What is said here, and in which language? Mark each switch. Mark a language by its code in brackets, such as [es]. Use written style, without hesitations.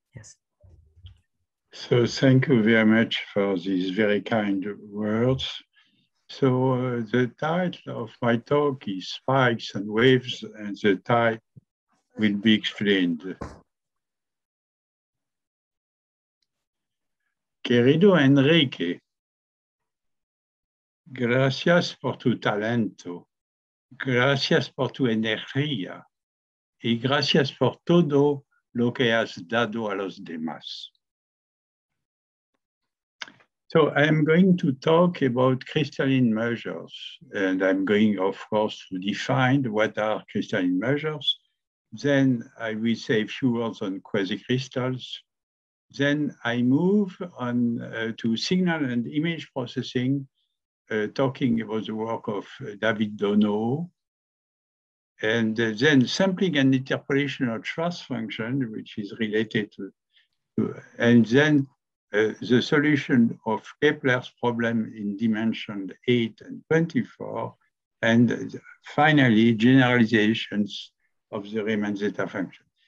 [en] Yes. So thank you very much for these very kind words. So the title of my talk is Spikes and Waves, and the type will be explained. [es] Querido Enrique, gracias por tu talento, gracias por tu energía y gracias por todo lo que has dado a los demás. [en] So I'm going to talk about crystalline measures, and I'm going, of course, to define what are crystalline measures. Then I will say a few words on quasicrystals. Then I move on to signal and image processing, talking about the work of David Dono, and then sampling and interpolation of trust function, which is related to and then the solution of Kepler's problem in dimension 8 and 24, and finally, generalizations of the Riemann zeta function.